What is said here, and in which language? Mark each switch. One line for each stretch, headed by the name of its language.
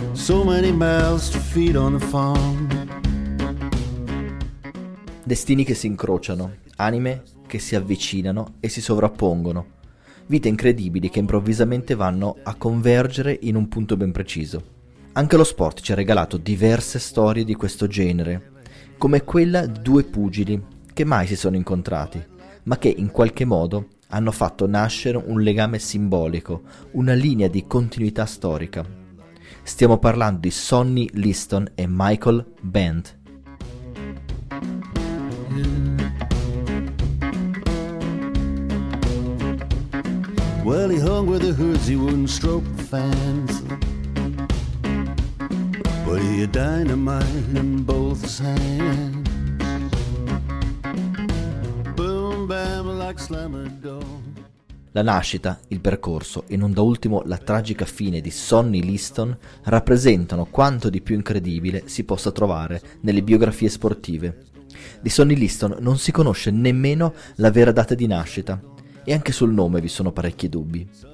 English: so many mouths to feed on the farm.
Italian: Destini che si incrociano, anime che si avvicinano e si sovrappongono, vite incredibili che improvvisamente vanno a convergere in un punto ben preciso. Anche lo sport ci ha regalato diverse storie di questo genere, come quella di due pugili che mai si sono incontrati, ma che in qualche modo hanno fatto nascere un legame simbolico, una linea di continuità storica. Stiamo parlando di Sonny Liston e Michael Bent.
English: Well, he hung with the hoods, he wouldn't stroke the fans. But he had dynamite in both his hands. Boom, bam, like slamming doors.
Italian: La nascita, il percorso e non da ultimo la tragica fine di Sonny Liston rappresentano quanto di più incredibile si possa trovare nelle biografie sportive. Di Sonny Liston non si conosce nemmeno la vera data di nascita e anche sul nome vi sono parecchi dubbi.